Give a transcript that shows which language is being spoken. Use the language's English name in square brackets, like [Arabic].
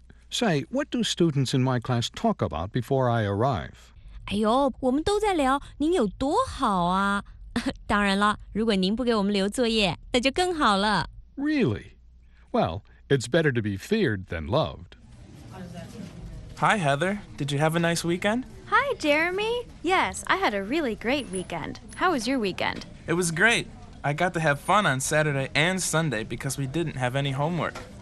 [English] Say, what do students in my class talk about before I arrive? [Chinese] 哎呦,我们都在聊您有多好啊。当然了,如果您不给我们留作业,那就更好了。 [English] Really? Well, it's better to be feared than loved. Hi, Heather. Did you have a nice weekend? Hi, Jeremy. Yes, I had a really great weekend. How was your weekend? It was great. I got to have fun on Saturday and Sunday because we didn't have any homework.